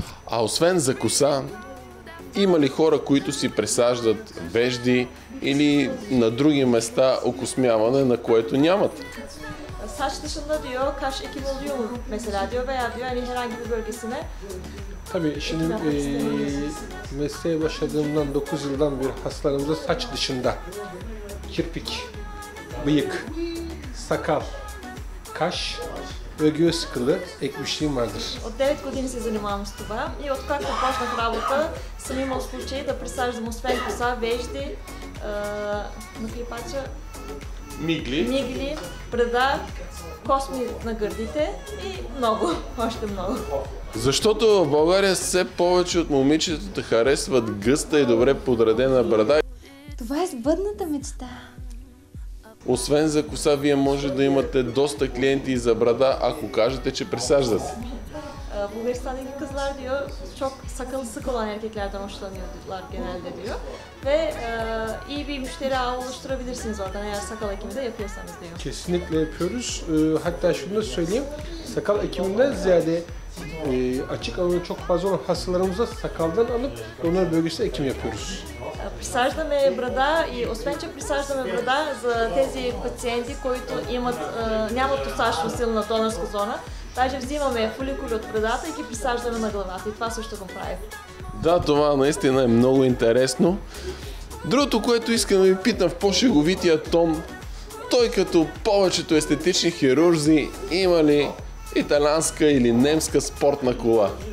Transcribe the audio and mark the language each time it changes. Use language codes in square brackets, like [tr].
[bg] А освен за коса, има ли хора, които си присаждат вежди или на други места окосмяване, на което нямат? [tr] Saç dışında diyor, kaş ekim oluyor mu mesela diyor veya diyor hani herhangi bir bölgesine. Tabii şimdi mesleğe başladığımdan 9 yıldan beri hastalarımıza saç dışında kirpik, bıyık, sakal, kaş ve göğüs kılı ekmişliğim vardır. [bg] O 9 години се занимавам с това и откакто почнах работа съм имал случаи да присаждам освен коса, вежди, на клипача, мигли, брада, косми на гърдите и много, още много. Защото в България все повече от момичетата харесват гъста и добре подредена брада. Това е сбъдната мечта. Освен за коса, вие може да имате доста клиенти и за брада, ако кажете, че присаждате. [tr] Bulgar İstanbul'daki kızlar diyor, çok sakalı sık olan erkeklerden hoşlanıyorlar genelde diyor. Ve iyi bir müşteri ağı oluşturabilirsiniz oradan eğer sakal ekimi de yapıyorsanız diyor. Kesinlikle yapıyoruz. Hatta şunu da söyleyeyim, sakal ekiminden ziyade açık alanı çok fazla olan hastalarımıza sakaldan alıp donör bölgesine ekim yapıyoruz. [bg] Присаждаме брада и освен че присаждаме брада за тези пациенти, които имат, нямат достатъчно силна донорска зона, даже взимаме фоликули от брадата и ги присаждаме на главата и това също го правим. Да, това наистина е много интересно. Другото, което искам да ви питам в по-шеговития тон, той като повечето естетични хирурзи има ли италианска или немска спортна кола?